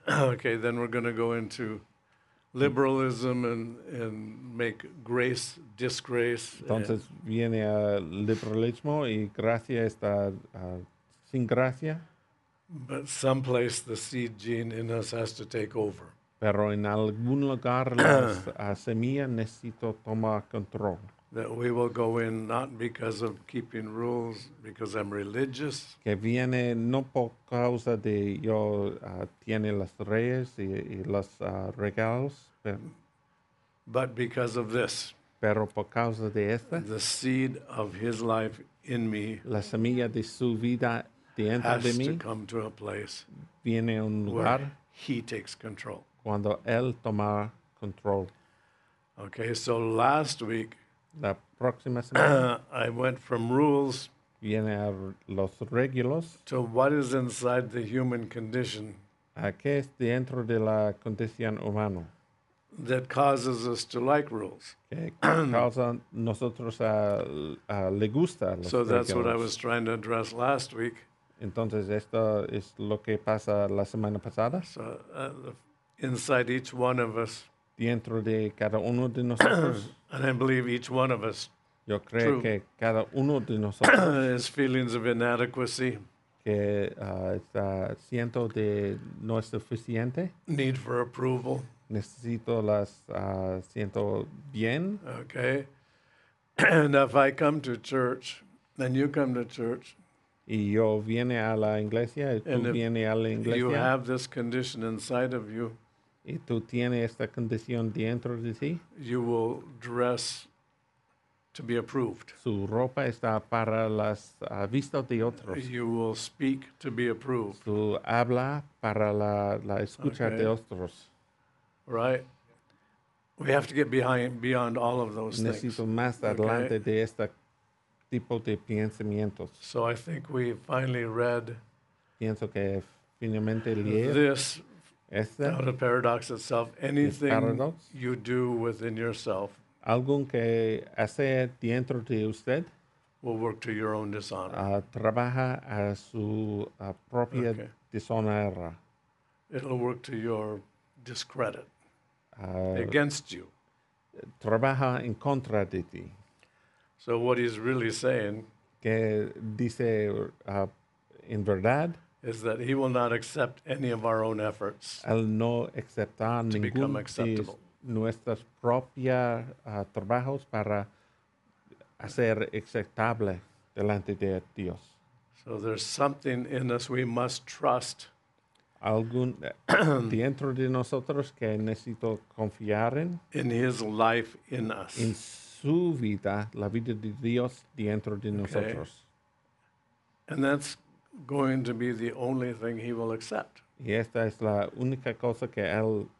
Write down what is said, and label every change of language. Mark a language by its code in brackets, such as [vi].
[en] Okay, then we're going to go into liberalism and make grace disgrace. [es] Entonces viene el liberalismo y gracia está sin gracia. [en] But someplace the seed gene in us has to take over. [es] Pero en algún lugar la semilla necesito tomar control. [en] That we will go in not because of keeping rules, because I'm religious. [es] Que viene no por causa de yo tiene las reyes y los regalos. [en] But because of this. [es] Pero por causa de esta. [en] The seed of his life in me. [es] La semilla de su vida dentro de mí. [en] Has to come to a place. [es] Viene a un lugar. [en] Where he takes control. [es] Cuando él toma control. [en] Okay, so last week. [es] La próxima semana, [en] I went from rules [es] viene a los regulos, [en] to what is inside the human condition [es] a qué es dentro de la condición humano, [en] that causes us to like rules. [es] Que causa nosotros a le gusta los [en] so [es] regulos. [en] That's what I was trying to address last week. [es] Entonces, esto es lo que pasa la semana pasada. [en] So, inside each one of us. [es] Dentro de cada uno de nosotros. [en] And I believe each one of us. [es] Yo creo que cada uno de nosotros. [en] Has feelings of inadequacy. [es] Que siento de no es suficiente. [en] Need for approval. [es] Necesito las siento bien. [en] Okay. And if I come to church, then you come to church. [es] Y yo viene a la iglesia, y tú viene a la iglesia. [en] You have this condition inside of you. [es] Y tú tienes esta condición dentro de ti. [en] You will dress to be approved. [es] Su ropa está para las vistas de otros. [en] You will speak to be approved. [es] Tú habla para la escucha [en] okay. [es] De otros. [en] Right. We have to get beyond all of those [es] necesito [en] things. [es] Necesito más adelante okay. De este tipo de pensamientos. [en] So I think we finally read. [es] Pienso que finalmente leí. [en] This. Out of paradox itself, anything you do within yourself, [es] algo que hace dentro de usted, [en] will work to your own dishonor. [es] Trabaja a su propia deshonor. [en] It'll work to your discredit, against you. [es] Trabaja en contra de ti. [en] So what he's really saying, [es] que dice en verdad. [en] Is that he will not accept any of our own efforts [es] él no acepta [en] to [es] ningún [en] become acceptable. De [es] nuestras propias trabajos para hacer acceptable delante de Dios. [en] So there's something in us we must trust. [es] Algún dentro de nosotros que necesito confiar en. [en] In his life in us. [es] En su vida, la vida de Dios dentro de nosotros. [en] Okay. And that's going to be the only thing he will accept. [es] Y esta es la única cosa que él